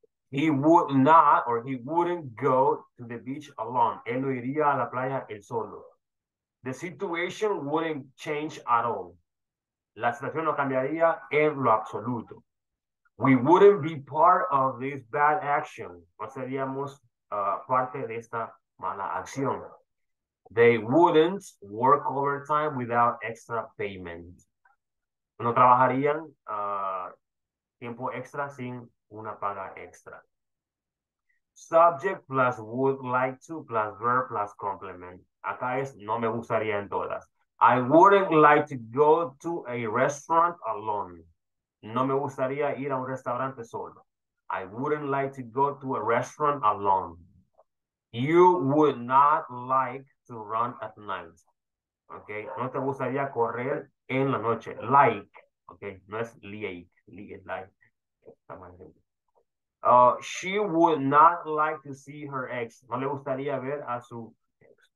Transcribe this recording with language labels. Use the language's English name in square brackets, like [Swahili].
[English] He would not, or he wouldn't go to the beach alone. [Spanish] Él no iría a la playa el solo. [English] The situation wouldn't change at all. [Spanish] La situación no cambiaría en lo absoluto. [English] We wouldn't be part of this bad action. [Spanish] No seríamos parte de esta mala acción. [English] They wouldn't work overtime without extra payment. [Spanish] no trabajarían tiempo extra sin una paga extra. [English] Subject plus would like to plus verb plus complement. [Spanish] Acá es no me gustaría en todas. [English] I wouldn't like to go to a restaurant alone. [Spanish] No me gustaría ir a un restaurante solo. [English] I wouldn't like to go to a restaurant alone. You would not like to run at night. [Spanish] Okay. No te gustaría correr en la noche. Like. Okay. No es like. Like. [English] Like. She would not like to see her ex. [Spanish] No le gustaría ver a su ex.